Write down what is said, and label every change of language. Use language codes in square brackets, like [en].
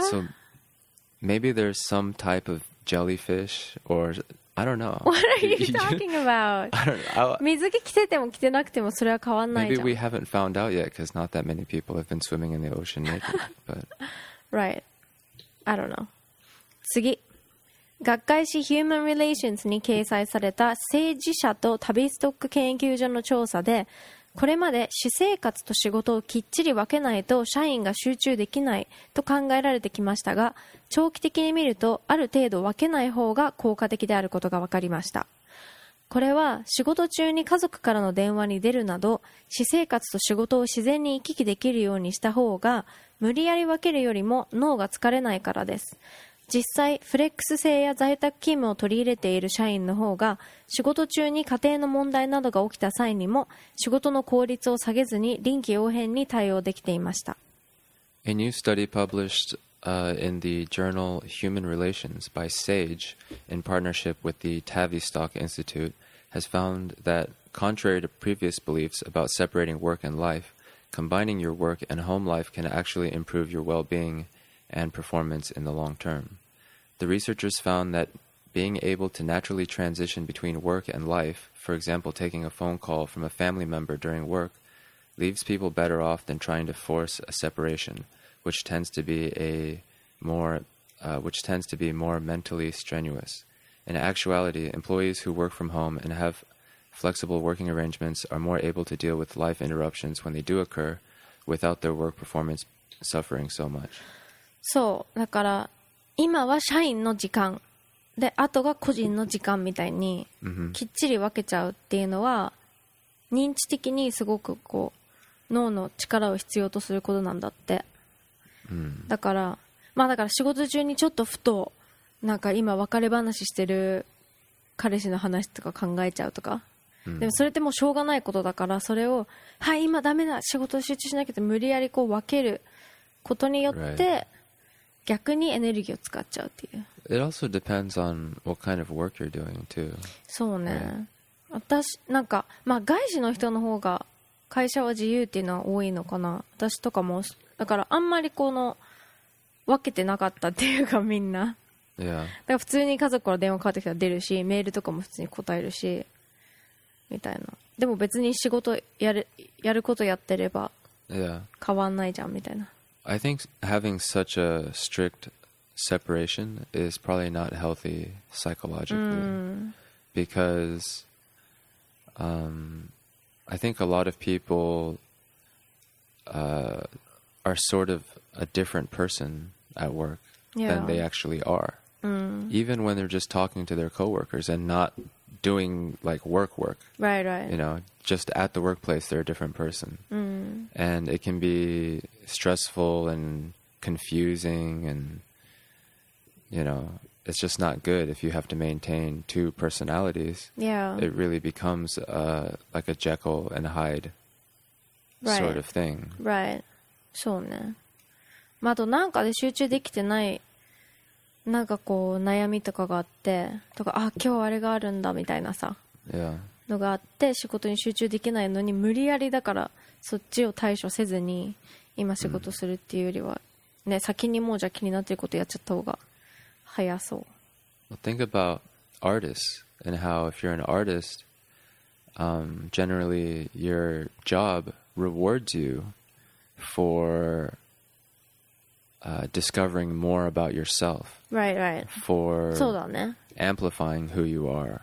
[en] So maybe there's some type of jellyfish or I don't know. What are you talking about? I don't know. [ja] 水着着てても着てなくてもそれは変わんないじゃん。 [en] Maybe we haven't found out yet because not that many people have been swimming in the ocean naked. But... right. I don't know. [ja] 次。学会誌 Human Relations に掲載された政治者と旅ストック研究所の調査で、これまで私生活と仕事をきっちり分けないと社員が集中できないと考えられてきましたが、長期的に見るとある程度分けない方が効果的であることが分かりました。これは仕事中に家族からの電話に出るなど私生活と仕事を自然に行き来できるようにした方が、無理やり分けるよりも脳が疲れないからです。実際フレックス制や在宅勤務を取り入れている社員の方が、仕事中に家庭の問題などが起きた際にも仕事の効率を下げずに臨機応変に対応できていました。 [en] A new study published in the journal Human Relations by Sage in partnership with the Tavistock Institute has found that contrary to previous beliefs about separating work and life, combining your work and home life can actually improve your well-beingand performance in the long term. The researchers found that being able to naturally transition between work and life, for example, taking a phone call from a family member during work, leaves people better off than trying to force a separation, which tends to be more mentally strenuous. In actuality, employees who work from home and have flexible working arrangements are more able to deal with life interruptions when they do occur without their work performance suffering so much. [ja] そうだから、今は社員の時間で、あとが個人の時間みたいにきっちり分けちゃうっていうのは、認知的にすごくこう脳の力を必要とすることなんだって。だからまあ、だから仕事中にちょっとふとなんか今別れ話してる彼氏の話とか考えちゃうとか、でもそれってもうしょうがないことだから、それをはい今ダメだ仕事集中しなきゃって無理やりこう分けることによって、 [en] right. [ja] 逆にエネルギーを使っちゃうっていう。 [en] It also depends on what kind of work you're doing too. [ja] そうね、私なんか、まあ、外資の人の方が会社は自由っていうのは多いのかな。私とかもだからあんまりこの分けてなかったっていうか、みんな、 [en] yeah. [ja] だから普通に家族から電話かかってきたら出るし、メールとかも普通に答えるしみたいな。でも別に仕事やることやってれば変わんないじゃんみたいな。 [en] I think having such a strict separation is probably not healthy psychologically, because I think a lot of people are sort of a different person at work than they actually are. even when they're just talking to their coworkers and not doing like work. Right, right. You know, just at the workplace, they're a different person. Mm. And it can be stressful and confusing and, you know, it's just not good if you have to maintain two personalities. Yeah. It really becomes like a Jekyll and Hyde right. sort of thing. Right. [ja] そうね。まあ、あとなんかで集中できてないなんかこう悩みとかがあってとか、あ、今日あれがあるんだみたいなさ、 [en] yeah. [ja] のがあって仕事に集中できないのに無理やりだからそっちを対処せずに今仕事するっていうよりは、ね、先にもうじゃ気になってることやっちゃった方が早そう。 [en] Well, think about artists and how if you're an artist, generally your job rewards youfor discovering more about yourself. Right, right. For amplifying who you are